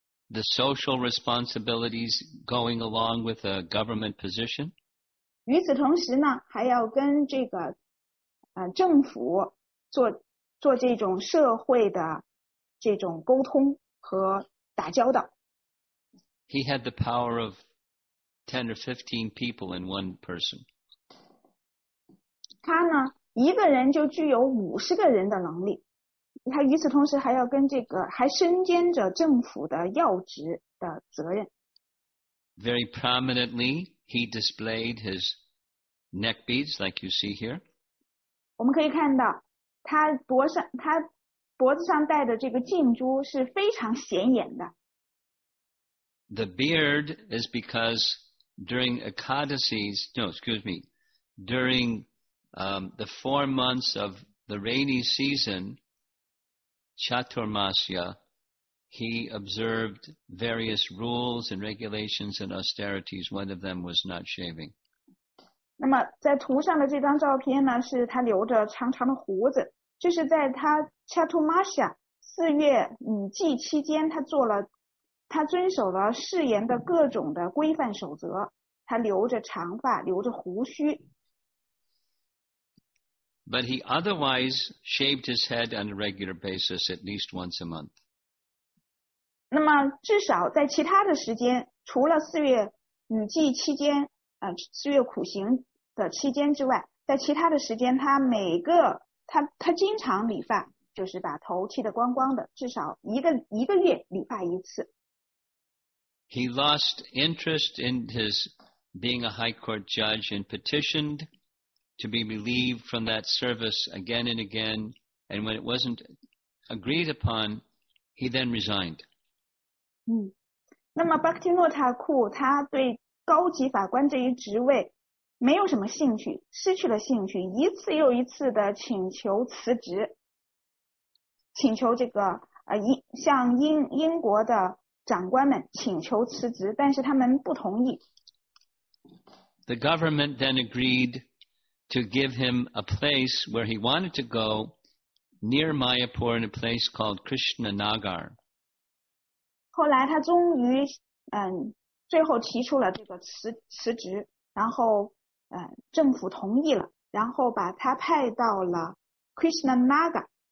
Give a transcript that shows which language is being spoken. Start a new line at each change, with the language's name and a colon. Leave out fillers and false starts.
English: The social responsibilities going along with a government position?
Chinese: 与此同时呢还要跟这个政府做这种社会的这种沟通和打交道。
English: He had the power of 10 or 15 people in one person.
Chinese: 他呢，一个人就具有50个人的能力。他与此同时还要跟这个，还身兼着政府的要职的责任。
English: Very prominently, he displayed his neck beads, like you see here.
Chinese: 我们可以看到他脖子上戴的这个颈珠是非常显眼的。
English: The beard is because during Ekadasis, the 4 months of the rainy season, Chaturmasya, he observed various rules and regulations and austerities. One of them was not shaving.
Chinese: 那么在图上的这张照片呢，是他留着长长的胡子。就是在他 Chaturmasya 四月雨季期间，他遵守了誓言的各种的规范守则。他留着长发，留着胡须。
English: But he otherwise shaved his head on a regular basis at least once a month.
Chinese: 那么至少在其他的时间，除了四月雨季期间，四月苦行的期间之外，在其他的时间，他每个他经常理发，就是把头剃得光光的，至少一个月理发一次。
English: He lost interest in his being a high court judge and petitioned to be relieved from that service again and again, and when it wasn't agreed upon, he then resigned.
Chinese: 嗯，那么巴克提诺塔库他对高级法官这一职位没有什么兴趣，失去了兴趣，一次又一次的请求辞职，请求这个向英国的长官们请求辞职，但是他们不同意。
English: The government then agreed to give him a place where he wanted to go near Mayapur in a place called Krishnanagar.
Chinese: 后来他终于最后提出了这个辞职，然后政府同意了，然后把他派到了 Krishnanagar。